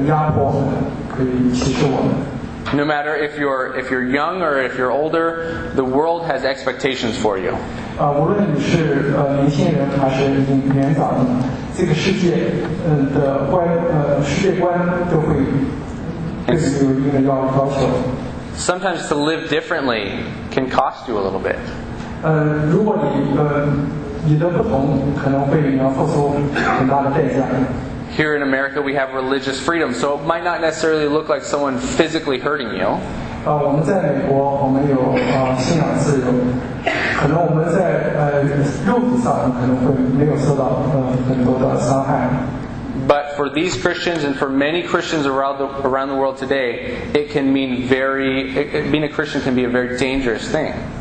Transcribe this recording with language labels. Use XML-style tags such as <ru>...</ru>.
<en>No matter if you're young or if you're older, the world has expectations for you.</en> <zh>无论你是年轻人还是年长的，这个世界的观，世界观都会对你有一个要求。</zh> <en>Sometimes to live differently can cost you a little bit.</en> <zh>如果你的不同，可能会你要付出很大的代价。</zh> <en>Here in America, we have religious freedom, so it might not necessarily look like someone physically hurting you.</en> <zh>我们在美国，我们有信仰自由，可能我们在肉体上可能会没有受到很多的伤害。</zh> <en>But for these Christians and for many Christians around the world today, it can mean being a Christian can be a very dangerous thing.</en>